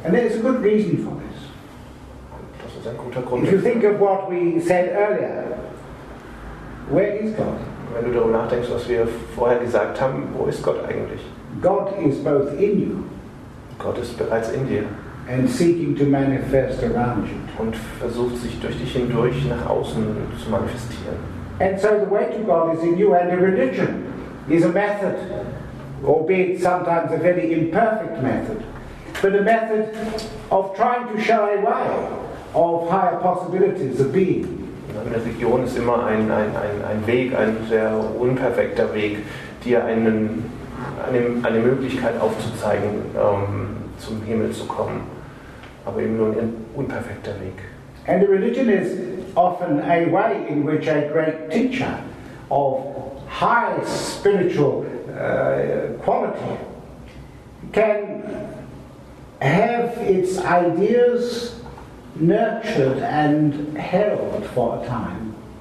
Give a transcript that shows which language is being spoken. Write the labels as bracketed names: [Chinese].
[English] And there is a good reason for this. [German] Das ist ein guter Grund. [English] If you think of what we said earlier, where is God? [German] Wenn du darüber nachdenkst, was wir vorher gesagt haben, wo ist Gott eigentlich? [English] God is both in you. [German] Gott ist bereits in dir. [English] And seeking to manifest around you. [German] Und versucht sich durch dich hindurch nach außen zu manifestieren. [English] And so the way to God is in you, and a religion is a method, albeit sometimes a very imperfect method, but a method of trying to shy away of higher possibilities of being. [German] Eine Religion ist immer ein Weg, ein sehr unperfekter Weg, dir eine Möglichkeit aufzuzeigen, zum Himmel zu kommen, aber eben nur ein unperfekter Weg. [English] And a religion is often a way in which a great teacher of high spiritual quality can have its ideas nurtured and held for a time.